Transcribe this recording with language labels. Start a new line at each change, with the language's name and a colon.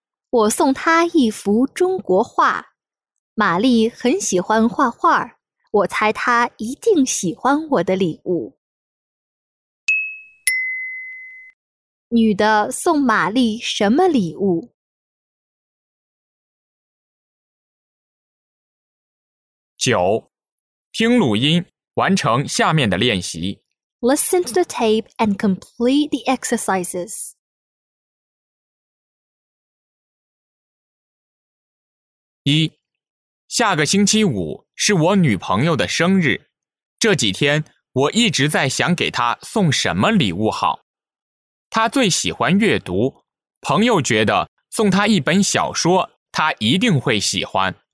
Chinese: 我送她一幅中国画，玛丽很喜欢画画，我猜她一定喜欢我的礼物。女的送玛丽什么礼物？九，听录音，完成下面的练习。
English: Listen to the tape and complete the exercises.
Chinese: 一，下个星期五是我女朋友的生日，这几天我一直在想给她送什么礼物好。他最喜欢阅读，朋友觉得送他一本小说，他一定会喜欢。